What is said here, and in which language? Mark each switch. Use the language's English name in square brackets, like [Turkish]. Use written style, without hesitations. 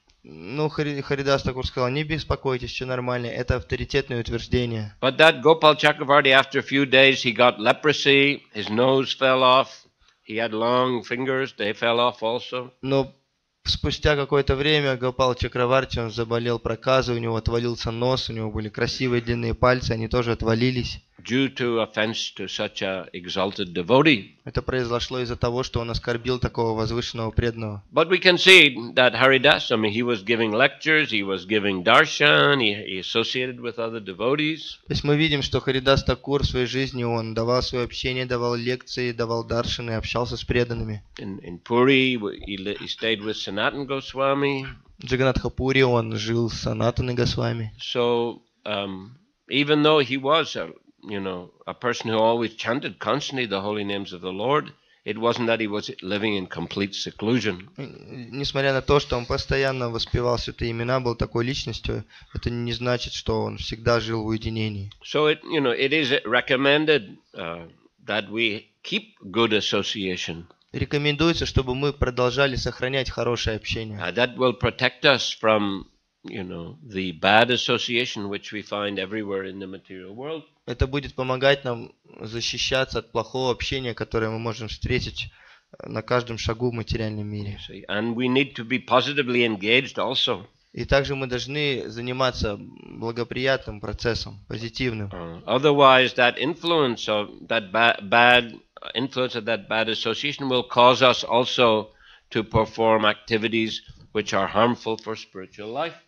[Russian] Ну, Харидас Такур сказал, не беспокойтесь, все нормально, это авторитетное утверждение. [English] But that Gopal Chakravarti, after a few days, he got leprosy, his nose fell off, he had long fingers, they fell off also. [Russian] Но спустя какое-то время Гопал Чакраварти, он заболел проказой, у него отвалился нос, у него были красивые длинные пальцы, они тоже отвалились. [English] Due to offense to such an exalted devotee. [Russian] Это произошло из-за того, что он оскорбил такого возвышенного преданного. [English] But we can see that Haridas, I mean, he was giving lectures, he was giving darshan, he associated with other devotees. [Russian] То есть мы видим, что Харидас Такур в своей жизни, он давал свое общение, давал лекции, давал даршан и общался с преданными. [English] In Puri, he stayed with Sanatan Goswami. [Russian] В Джаганатхапури он жил с Санатаной Госвами. [English] So, even though he was a person who always chanted constantly the holy names of the Lord, it wasn't that he was living in complete seclusion. [Russian] Несмотря на то, что он постоянно воспевал святые имена, был такой личностью, это не значит, что он всегда жил в уединении. [English] So it is recommended that we keep good association. [Russian] Рекомендуется, чтобы мы продолжали сохранять хорошее общение. [English] That will protect us from the bad association which we find everywhere in the material world. [Russian] Это будет помогать нам защищаться от плохого общения, которое мы можем встретить на каждом шагу в материальном мире. [English] And we need to be positively engaged also. [Russian] И также мы должны заниматься благоприятным процессом, позитивным. [English] Otherwise, that influence of that bad influence of that bad association will cause us also to perform activities which are harmful for spiritual life.